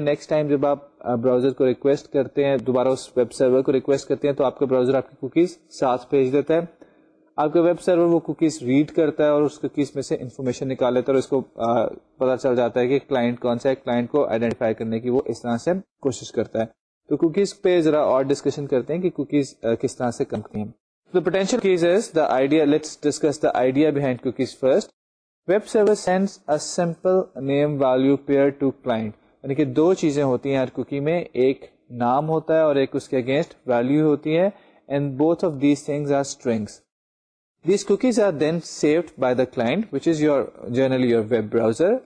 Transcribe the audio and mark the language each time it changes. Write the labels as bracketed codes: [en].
[ur] Next time جب آپ browser کو ریکویسٹ کرتے ہیں دوبارہ اس ویب سرور کو ریکویسٹ کرتے ہیں تو آپ کا براؤزر آپ کی کوکیز ساتھ بھیج دیتا ہے. آپ کا ویب سرور وہ کوکیز ریڈ کرتا ہے اور اس کوکیز میں سے انفارمیشن نکال لیتا ہے اور اس کو پتہ چل جاتا ہے کہ کلائنٹ کون سا ہے, کلائنٹ کو آئیڈینٹیفائی کرنے کی وہ اس طرح سے کوشش کرتا ہے. تو کوکیز پہ ذرا اور ڈسکشن کرتے ہیں کہ کوکیز کس طرح سے کرتی ہیں. [en] The potential keys is the idea, let's discuss the idea behind cookies first. Web server sends a simple name value pair to client, [ur] یعنی کہ دو چیزیں ہوتی ہیں ہر کوکی میں, ایک نام ہوتا ہے اور ایک اس کے اگینسٹ ویلیو ہوتی ہے, [en] And both of these things are strings. These cookies are then saved by the client, which is your generally your web browser.